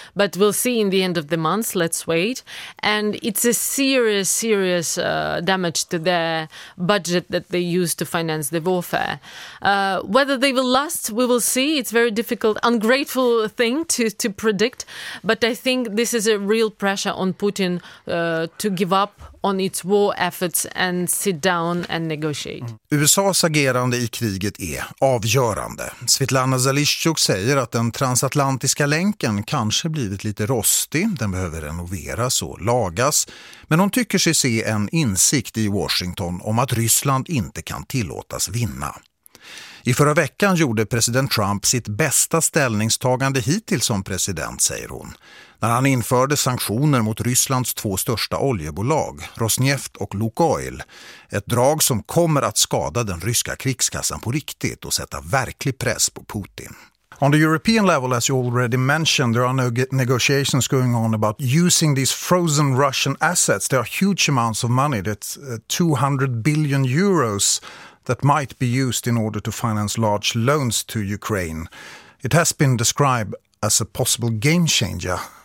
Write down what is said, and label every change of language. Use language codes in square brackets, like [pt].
[en] But we'll see in the end of the month. Let's wait. And it's a serious, serious damage to their budget that they use to finance the warfare. Whether they will last, we will see. It's very difficult, ungrateful thing to predict. But I think this is a real pressure on Putin to give up on its war efforts and sit down and negotiate. [sv] USA:s agerande i kriget är avgörande. Svetlana Zalishchuk säger att den transatlantiska länken kanske blivit lite rostig, den behöver renoveras och lagas, men hon tycker sig se en insikt i Washington om att Ryssland inte kan tillåtas vinna. I förra veckan gjorde president Trump sitt bästa ställningstagande hittills som president, säger hon, när han införde sanktioner mot Rysslands två största oljebolag, Rosneft och Lukoil. Ett drag som kommer att skada den ryska krigskassan på riktigt och sätta verklig press på Putin. [en] On the European level, as you already mentioned, there are no negotiations going on about using these frozen Russian assets. There are huge amounts of money, that's 200 billion euros that might be used in order to finance large loans to Ukraine. It has been described as a possible game changer.